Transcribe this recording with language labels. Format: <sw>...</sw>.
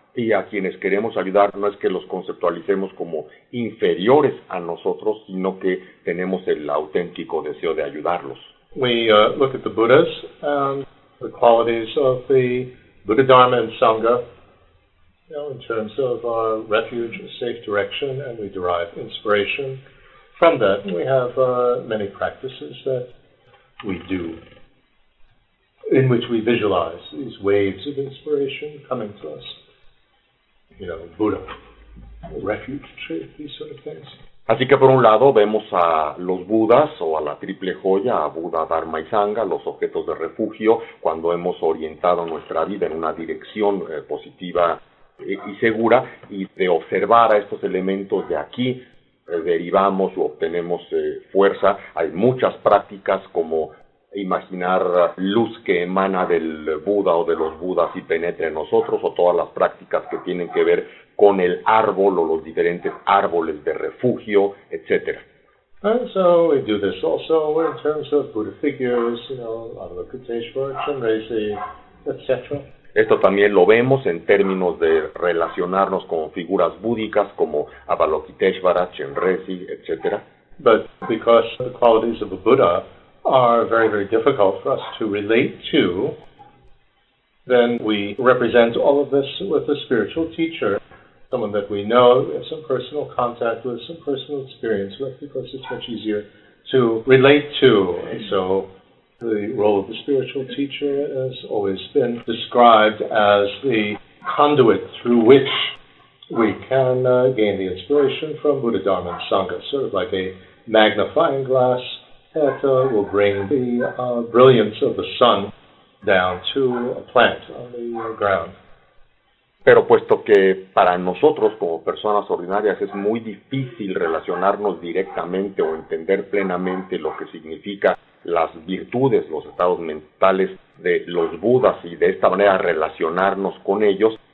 <es>Y a quienes queremos ayudar no es que los conceptualicemos como inferiores a nosotros, sino que tenemos el auténtico deseo de ayudarlos.</es> <en>We look at the Buddhas and the qualities of the Buddha Dharma and Sangha, you know, in terms of our refuge, safe direction, and we derive inspiration from that. And we have many practices that we do, in which we visualize these waves of inspiration coming to us. You know, Buddha, refuge tree, these sort of things.</en> <es>Así que por un lado vemos a los Budas o a la triple joya, a Buda, Dharma y Sangha, los objetos de refugio, cuando hemos orientado nuestra vida en una dirección positiva y segura, y de observar a estos elementos de aquí, derivamos o obtenemos fuerza. Hay muchas prácticas como imaginar luz que emana del Buda o de los Budas y penetra en nosotros, o todas las prácticas que tienen que ver con el árbol o los diferentes árboles de refugio, etc.</es> <en>And so we do this also in terms of Buddha figures, Avalokiteshvara, Chenrezig, etc.</en> <es>Esto también lo vemos en términos de relacionarnos con figuras búdicas como Avalokiteshvara, Chenrezig, etc.</es> <en>But because the qualities of a Buddha are very, very difficult for us to relate to, then we represent all of this with a spiritual teacher, someone that we know, have some personal contact with, some personal experience with, because it's much easier to relate to. And so the role of the spiritual teacher has always been described as the conduit through which we can gain the inspiration from Buddha, Dharma, and Sangha, sort of like a magnifying glass that will bring the brilliance of the sun down to a plant on the ground.</en> <es>Pero puesto que para nosotros como personas ordinarias es muy difícil relacionarnos directamente o entender plenamente lo que significa las virtudes, los estados mentales de los Budas y de esta manera relacionarnos con ellos,</es>